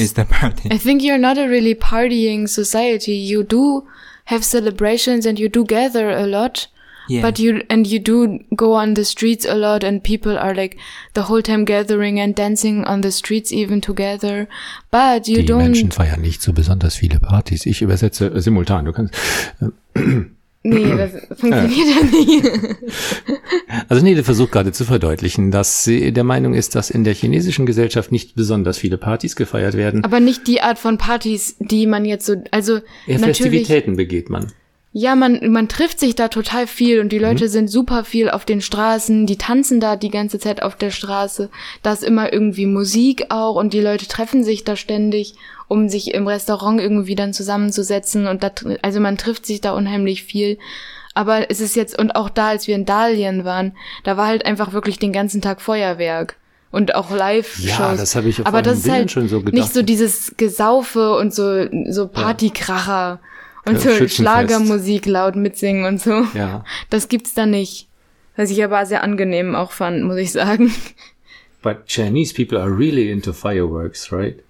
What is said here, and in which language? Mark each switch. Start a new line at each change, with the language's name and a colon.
English: It's the party. I think you're not a really partying society. You do have celebrations and you do gather a lot. Yeah. But you do go on the streets a lot and people are like the whole time gathering and dancing on the streets even together. But you
German: die
English: don't.
German: Die Menschen feiern nicht so besonders viele Partys. Ich übersetze simultan. Du kannst. Nee, das funktioniert ja nicht. Also Nele versucht gerade zu verdeutlichen, dass sie der Meinung ist, dass in der chinesischen Gesellschaft nicht besonders viele Partys gefeiert werden. Aber nicht die Art von Partys, die man jetzt so, also ja, natürlich. Festivitäten begeht man. Ja, man trifft sich da total viel und die Leute sind super viel auf den Straßen, die tanzen da die ganze Zeit auf der Straße. Da ist immer irgendwie Musik auch und die Leute treffen sich da ständig, um sich im Restaurant irgendwie dann zusammenzusetzen und da, also man trifft sich da unheimlich viel. Aber es ist jetzt, und auch da, als wir in Dalian waren, da war halt einfach wirklich den ganzen Tag Feuerwerk. Und auch Live-Shows. Ja, das habe ich auf aber meinen Bildern halt schon so gedacht. Nicht so dieses Gesaufe und so Partykracher. Ja. Und so Schlagermusik laut mitsingen und so. Ja. Das gibt's da nicht. Was ich aber sehr angenehm auch fand, muss ich sagen.
English: But Chinese people are really into fireworks, right?